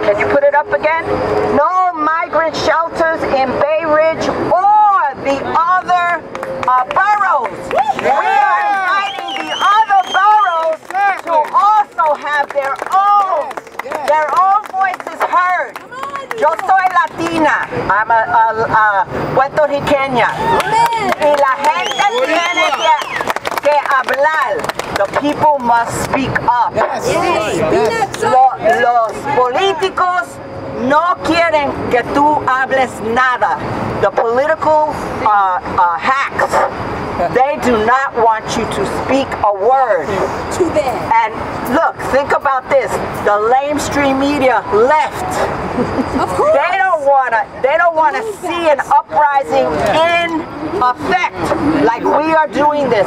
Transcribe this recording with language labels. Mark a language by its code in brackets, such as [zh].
[en] Can you put it up again? No migrant shelters in Bay Ridge or the other boroughs. We are inviting the other boroughs to also have their own voices heard. [es] Yo soy Latina. [en] I'm a Puerto Ricanía. [es] Y la gente tiene que hablar. [en] The people must speak up. Yes. [es] Los políticos no quieren que tú hables nada. [en] The political hacks, they do not want you to speak a word. Too bad. And look, think about this. The lamestream media left. Of course. They don't wanna see an uprising in effect like we are doing this.